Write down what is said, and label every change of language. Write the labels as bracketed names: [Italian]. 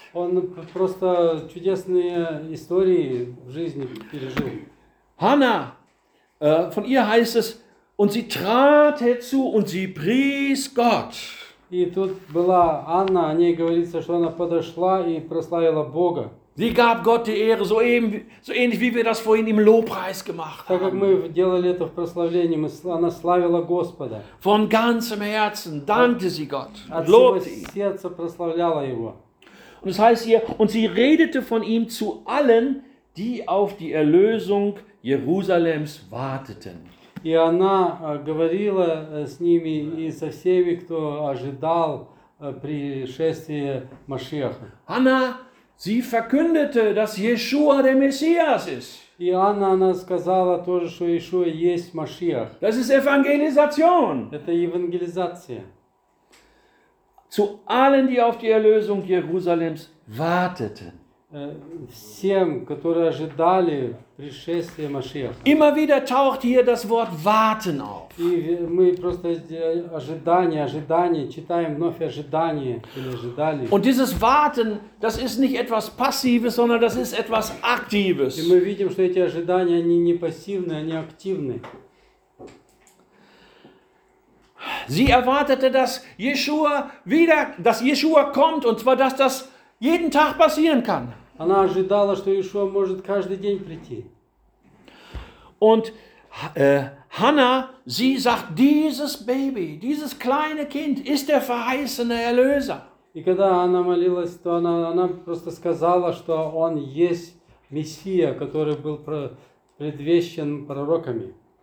[Russian] Он просто чудесные истории в жизни пережил. [German] Hanna, von ihr heißt es, und sie trat herzu und sie pries Gott. [Russian] И тут была Анна, о ней говорится, что она подошла и прославила Бога. [German] Sie gab Gott die Ehre, so ähnlich wie wir das vorhin im Lobpreis gemacht haben. [Russian] Так как мы делали это в прославлении, она славила Господа. [German] Von ganzem Herzen dankte sie Gott. Lobte ihn. [Russian] Сердце прославляло его. [German] Und es heißt hier, und sie redete von ihm zu allen, die auf die Erlösung Jerusalems warteten. [Russian] И она говорила с ними и со всеми, кто ожидал пришествия Машиаха. [German] Hanna, sie verkündete, dass Yeshua der Messias ist. [Russian] И Анна, она сказала тоже, что Иешуа есть Машиах. [German] Das ist Evangelisation. [Russian] Это евангелизация. [German] Zu allen, die auf die Erlösung Jerusalems warteten. [Russian] Всем, которые ожидали пришествия Машиаха. [German] Immer wieder taucht hier das Wort warten auf. [Russian] И мы просто ожидание, читаем вновь ожидание или ожидали. [German] Und dieses warten, das ist nicht etwas passives, sondern das ist etwas aktives. [Russian] И мы видим, что эти ожидания, они не пассивные, они активные. [German] Sie erwartete, dass Yeshua kommt, und zwar, dass das jeden Tag passieren kann. [Russian] Она ожидала, что Иешуа может каждый день прийти. [German] Und Hanna, sie sagt, dieses Baby, dieses kleine Kind ist der verheißene Erlöser. [Russian] И когда она молилась, то она просто сказала, что он есть Мессия, который был предвещен пророками.